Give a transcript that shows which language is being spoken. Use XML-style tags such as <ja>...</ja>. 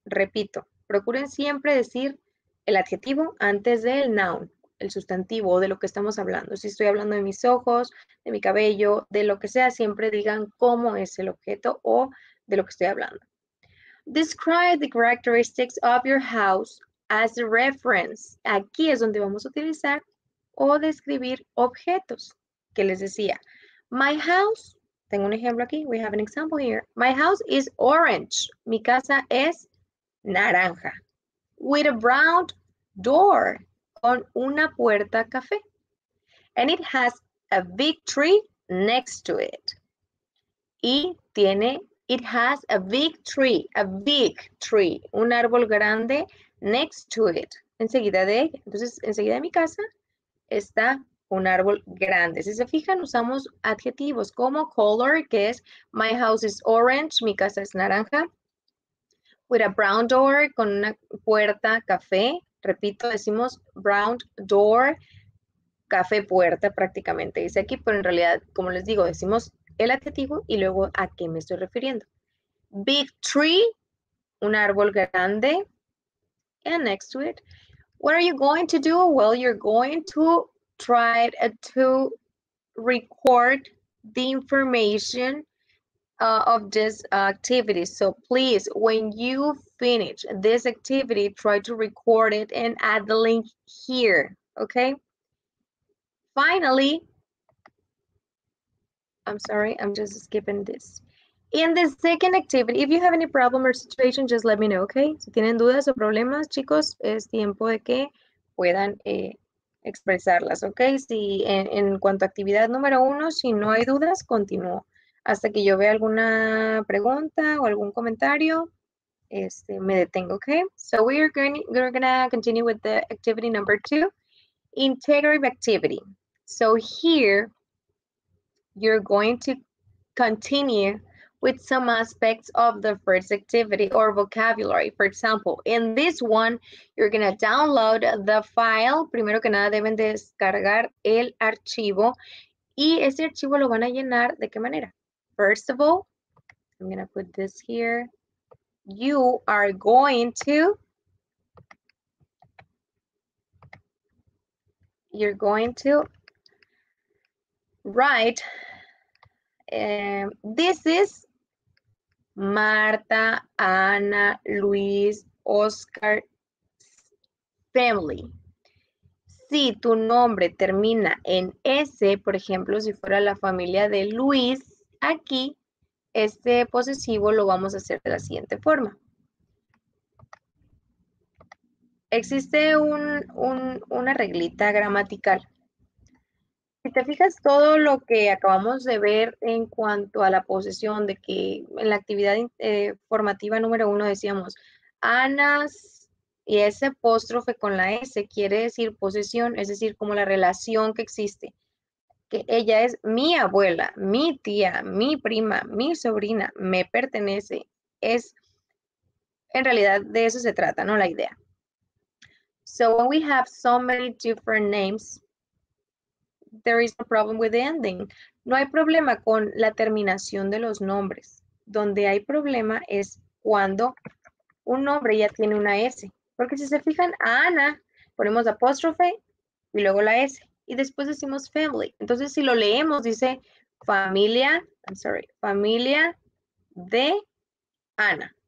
<es>Repito, procuren siempre decir el adjetivo antes del noun, el sustantivo de lo que estamos hablando. Si estoy hablando de mis ojos, de mi cabello, de lo que sea, siempre digan cómo es el objeto o de lo que estoy hablando.</es> <en>Describe the characteristics of your house as a reference.</en> <es>Aquí es donde vamos a utilizar o describir objetos que les decía.</es> <en>My house,</en> <es>tengo un ejemplo aquí,</es> <en>we have an example here. My house is orange.</en> <es>Mi casa es naranja.</es> <en>With a brown door,</en> <es>con una puerta café.</es> <en>And it has a big tree next to it. It has a big tree,</en> <es>un árbol grande</es> <en>next to it,</en> <es>enseguida de ella. Entonces, enseguida de mi casa está un árbol grande. Si se fijan, usamos adjetivos como color, que es</es> <en>my house is orange,</en> <es>mi casa es naranja,</es> <en>with a brown door,</en> <es>con una puerta café. Repito, decimos</es> <en>brown door,</en> <es>café puerta prácticamente dice aquí, pero en realidad, como les digo, decimos el adjetivo y luego a qué me estoy refiriendo.</es> <en>Big tree,</en> <es>un árbol grande.</es> <en>And next to it, what are you going to do? Well, you're going to try to record the information of this activity. So please, when you finish this activity, try to record it and add the link here, okay? Finally, I'm sorry, I'm just skipping this. In the second activity, if you have any problem or situation, just let me know, okay?</en> <es>Si tienen dudas o problemas, chicos, es tiempo de que puedan expresarlas, okay? Si en cuanto a actividad número uno, si no hay dudas, continúo. Hasta que yo vea alguna pregunta o algún comentario, me detengo, okay?</es> <en>So we're gonna continue with the activity number two, integrative activity. So here, you're going to continue with some aspects of the first activity or vocabulary. For example, in this one, you're gonna download the file.</en> <es>Primero que nada, deben descargar el archivo. ¿Y ese archivo lo van a llenar de qué manera?</es> <en>First of all, I'm gonna put this here. You are going to, you're going to write, this is Marta, Ana, Luis, Oscar, family.</en> <es>Si tu nombre termina en S, por ejemplo, si fuera la familia de Luis, aquí este posesivo lo vamos a hacer de la siguiente forma. Existe una reglita gramatical. Si te fijas, todo lo que acabamos de ver en cuanto a la posesión de que en la actividad formativa número uno decíamos Anas y ese apóstrofe con la S quiere decir posesión, es decir, como la relación que existe, que ella es mi abuela, mi tía, mi prima, mi sobrina, me pertenece, es en realidad de eso se trata, ¿no? La idea.</es> <en>So when we have so many different names, there is no problem with the ending.</en> <es>No hay problema con la terminación de los nombres. Donde hay problema es cuando un nombre ya tiene una S. Porque si se fijan, a Ana ponemos apóstrofe y luego la S. Y después decimos family. Entonces, si lo leemos, dice familia,</es> <en>I'm sorry,</en> <es>familia de Ana.</es>